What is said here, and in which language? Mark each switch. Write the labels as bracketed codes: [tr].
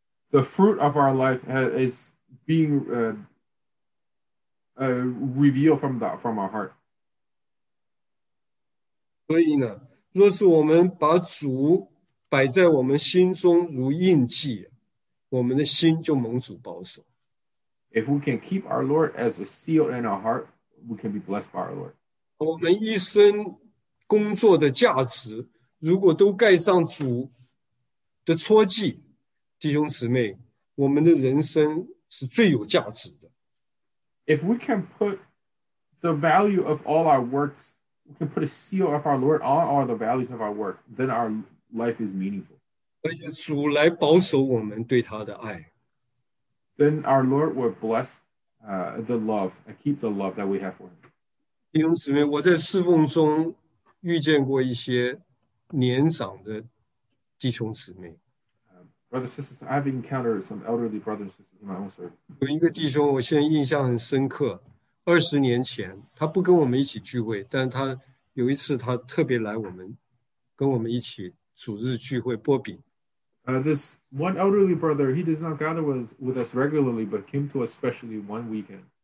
[en] The fruit of our life is being revealed from our heart. [zh] 所以呢, 若是我们把主 摆在我们心中如印记, 我们的心就蒙主保守。 [en] If we can keep our Lord as a seal in our heart, we can be blessed by our Lord. [zh] 我们一生工作的价值, 如果都盖上主的戳记, 弟兄姊妹, 我们的人生是最有价值的。 [en] If we can put the value of all our works, we can put a seal of our Lord on all the values of our work, then our life is meaningful. [zh] 而且主来保守我们对他的爱。 [en] Then our Lord will bless the love and keep the love that we have for him. [zh] 弟兄姊妹，我在侍奉中遇见过一些年长的弟兄姊妹。 [en] Brothers and sisters, I've encountered some elderly brothers and sisters in my own service. [zh] 有一个弟兄，我现在印象很深刻。20年前，他不跟我们一起聚会，但是他有一次他特别来我们，跟我们一起主日聚会擘饼。 [en] This one elderly brother, he does not gather with us regularly, but came to us specially one weekend.